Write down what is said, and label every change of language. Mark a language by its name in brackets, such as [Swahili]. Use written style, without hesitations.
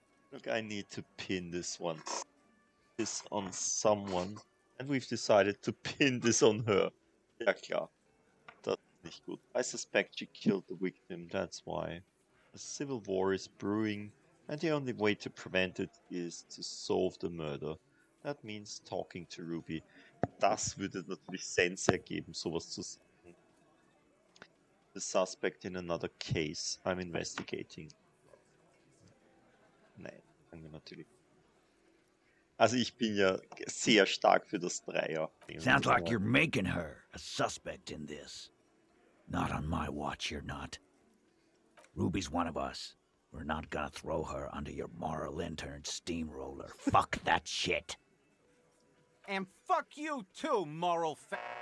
[English] Look, I need to pin this one. This on someone. And we've decided to pin this on her. [German] Ja klar. [English] Good. I suspect she killed the victim, that's why. A civil war is brewing, and the only way to prevent it is to solve the murder. That means talking to Ruby. [German] Das würde natürlich Sinn ergeben, sowas zu sagen. [English] The suspect in another case I'm investigating. [German] Nein, sagen wir natürlich. Also ich bin ja sehr stark für das Dreier. [English] Sounds like you're making her a suspect in this. Not on my watch, you're not. Ruby's one of us. We're not gonna throw her under your moral intern steamroller. Fuck that shit. And fuck you too, moral fa-